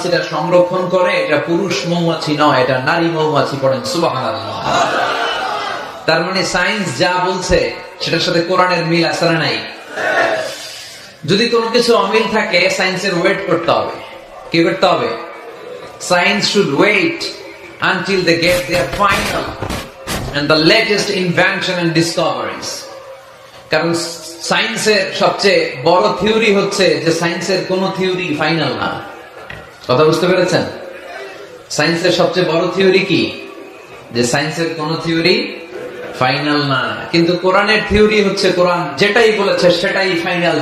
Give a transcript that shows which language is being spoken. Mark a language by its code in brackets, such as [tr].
[bn] সংরক্ষণ করে এটা পুরুষ মৌমাছি নয়, এটা নারী মৌমাছি। পড়েন, সুবহানাল্লাহ। তার মানে সায়েন্স যা বলছে সেটার সাথে কোরআনের মিল আসলে নাই। যদি কোনো কিছু অমিল থাকে সায়েন্সের ওয়েট করতে হবে। কি করতে হবে? [en] Science should wait until they get their final and the latest invention and discoveries. [bn] কারণ সায়েন্সের সবচেয়ে বড় থিওরি হচ্ছে যে সায়েন্সের কোন থিওরি ফাইনাল না। কথা বুঝতে পেরেছেন? সায়েন্সের সবচেয়ে বড় থিওরি কি? যে সায়েন্সের কোন থিওরি ফাইনাল না। কিন্তু কোরআনের থিওরি হচ্ছে, কোরআন যেটাই বলেছে সেটাই ফাইনাল।